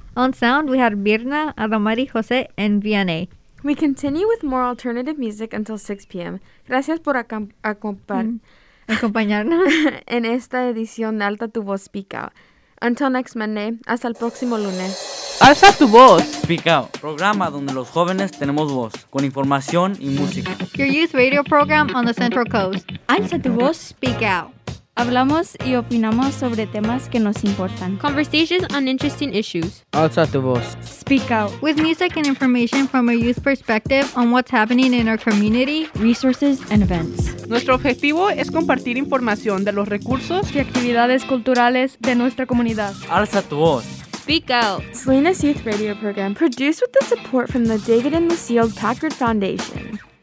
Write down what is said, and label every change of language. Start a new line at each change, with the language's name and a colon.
English: On sound, we had Mirna, Adamari, Jose, and Vianney. We continue with more alternative music until 6 p.m.
Spanish: Gracias por acompañarnos en esta edición de Alza Tu Voz Speak Out.
English: Until next Monday,
Spanish: hasta el próximo lunes. Alza Tu Voz Speak Out, programa donde los jóvenes tenemos voz, con información y música.
English: Your youth radio program on the Central Coast.
Spanish: Alza Tu Voz Speak Out. Hablamos y opinamos sobre temas que nos importan.
English: Conversations on interesting issues.
Spanish: Alza Tu Voz.
English: Speak Out. With music and information from a youth perspective on what's happening in our community, resources, and events.
Spanish: Nuestro objetivo es compartir información de los recursos y actividades culturales de nuestra comunidad. Alza Tu Voz.
English: Speak Out. Salinas Youth Radio Program, produced with the support from the David and Lucille Packard Foundation.